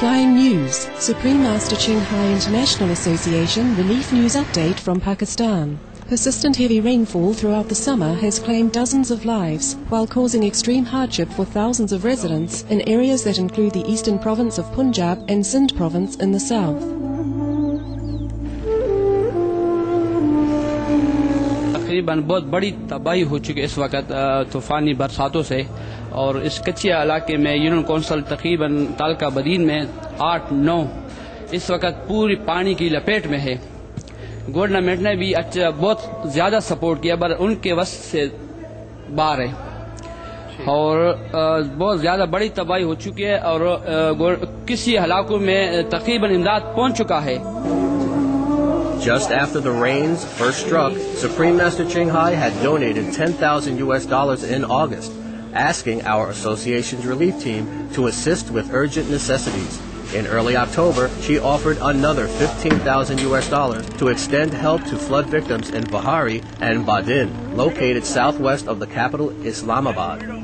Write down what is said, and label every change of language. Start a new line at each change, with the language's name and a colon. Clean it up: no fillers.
English: News, Supreme Master Ching Hai International Association Relief News Update from Pakistan. Persistent heavy rainfall throughout the summer has claimed dozens of lives while causing extreme hardship for thousands of residents in areas that include the eastern province of Punjab and Sindh province in the south.
Urdu: تقریباً بہت بڑی تباہی ہو چکی اس وقت طوفانی برساتوں سے اور اس کچے علاقے میں یونین کونسل تقریباً تعلقہ بدین میں 8-9 اس وقت پوری پانی کی لپیٹ میں ہے. گورنمنٹ نے بھی اچھا بہت زیادہ سپورٹ کیا پر ان کے وسط سے باہر ہے اور بہت زیادہ بڑی تباہی ہو چکی ہے اور کسی علاقوں میں تقریباً امداد پہنچ چکا ہے.
English: Just after the rains first struck, Supreme Master Ching Hai had donated $10,000 in August, asking our association's relief team to assist with urgent necessities. In early October, she offered another $15,000 to extend help to flood victims in Bihari and Badin, located southwest of the capital, Islamabad.